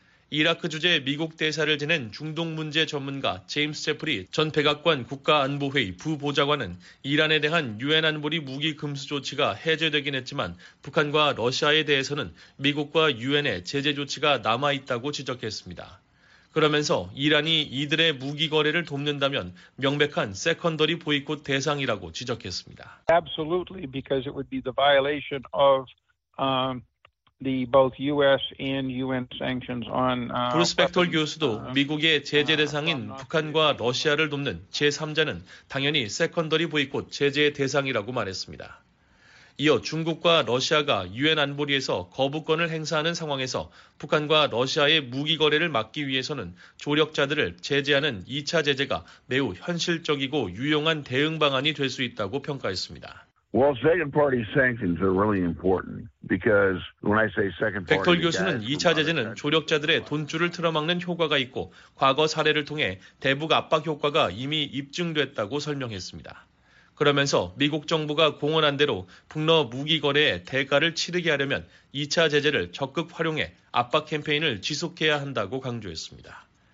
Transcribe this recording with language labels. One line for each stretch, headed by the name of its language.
Korean: 이라크 주재 미국 대사를 지낸 중동 문제 전문가 제임스 제프리 전 백악관 국가안보회의 부보좌관은 이란에 대한 유엔 안보리 무기 금수 조치가 해제되긴 했지만 북한과 러시아에 대해서는 미국과 유엔의 제재 조치가 남아있다고 지적했습니다. 그러면서 이란이 이들의 무기 거래를 돕는다면 명백한 세컨더리 보이콧 대상이라고 지적했습니다.
English: Absolutely, because it would be the violation of the both U.S. and UN sanctions on.
Korean: 브루스펙톨 교수도 미국의 제재 대상인 북한과 러시아를 돕는 제3자는 당연히 세컨더리 보이콧 제재의 대상이라고 말했습니다. 이어 중국과 러시아가 유엔 안보리에서 거부권을 행사하는 상황에서 북한과 러시아의 무기 거래를 막기 위해서는 조력자들을 제재하는 2차 제재가 매우 현실적이고 유용한 대응 방안이 될 수 있다고 평가했습니다.
English: Well, second party sanctions are really important because when I say second party,
Korean: 백털 교수는 2차 제재는 조력자들의 돈줄을 틀어막는 효과가 있고 과거 사례를 통해 대북 압박 효과가 이미 입증됐다고 설명했습니다. 그러면서 미국 정부가 공언한 대로 북러 무기 거래에 대가를 치르게 하려면 2차 제재를 적극 활용해 압박 캠페인을 지속해야 한다고 강조했습니다.